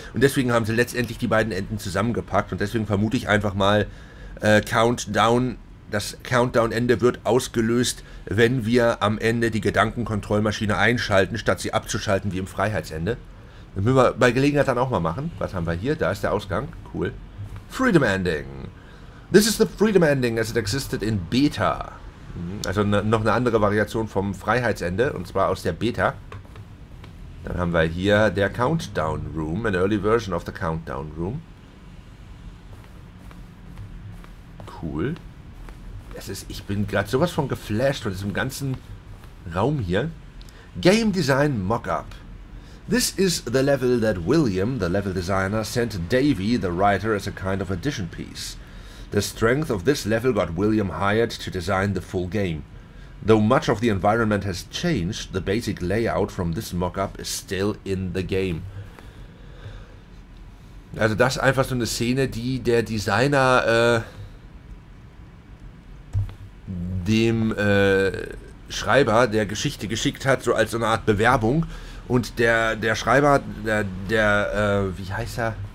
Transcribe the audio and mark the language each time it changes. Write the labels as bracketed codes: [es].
[de] Und deswegen haben sie letztendlich die beiden Enden zusammengepackt. Und deswegen vermute ich einfach mal, Countdown, das Countdown-Ende wird ausgelöst, wenn wir am Ende die Gedankenkontrollmaschine einschalten, statt sie abzuschalten wie im Freiheitsende. Das müssen wir bei Gelegenheit dann auch mal machen. Was haben wir hier? Da ist der Ausgang. Cool. Freedom Ending. [en] This is the freedom ending as it existed in Beta. [de] Also noch eine andere Variation vom Freiheitsende, und zwar aus der Beta. Dann haben wir hier der [en] Countdown Room, an early version of the Countdown Room. [de] Cool. Ich bin gerade sowas von geflasht von diesem ganzen Raum hier. [en] Game Design Mockup. This is the level that William, the level designer, sent Davey, the writer, as a kind of addition piece. The strength of this level got William hired to design the full game. Though much of the environment has changed, the basic layout from this mock-up is still in the game. [de] Also das ist einfach so eine Szene, die der Designer dem Schreiber der Geschichte geschickt hat, so als so eine Art Bewerbung. Und der Schreiber, wie heißt er?